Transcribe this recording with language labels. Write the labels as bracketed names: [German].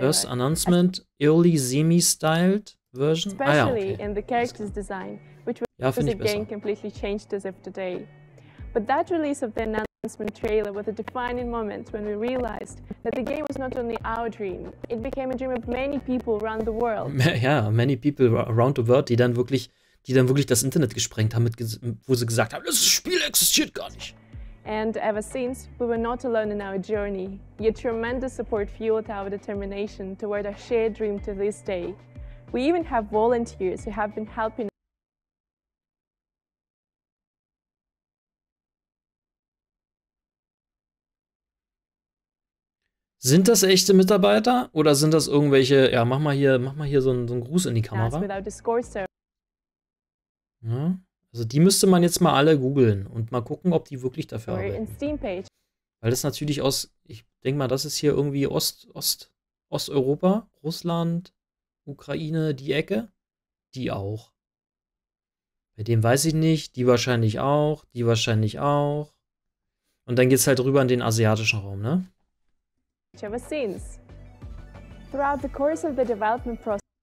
[English] First announcement early semi-styled version. Especially [German] ah, ja, okay. [English] In the character's design, which [German] ja, [English] was [German] ich [English] again [German] besser. [English] Completely changed as of today. But that release of the announcement trailer was a defining moment when we realized that the game was not only our dream, it became a dream of many people around the world. [German] Ja, [English] many people around the world, [German] die dann wirklich das Internet gesprengt haben, wo sie gesagt haben, das Spiel existiert gar nicht. [English] And ever since, we were not alone in our journey. Your tremendous support fueled our determination toward our shared dream to this day. We even have volunteers who have been helping. [German] Sind das echte Mitarbeiter oder sind das irgendwelche? Ja, mach mal hier so einen Gruß in die Kamera. Ja, also die müsste man jetzt mal alle googeln und mal gucken, ob die wirklich dafür arbeiten. Weil das natürlich aus, ich denke mal, das ist hier irgendwie Osteuropa, Russland, Ukraine, die Ecke. Die auch. Bei dem weiß ich nicht, die wahrscheinlich auch. Und dann geht's halt rüber in den asiatischen Raum, ne? [English] Ever since. Throughout the course of the development process,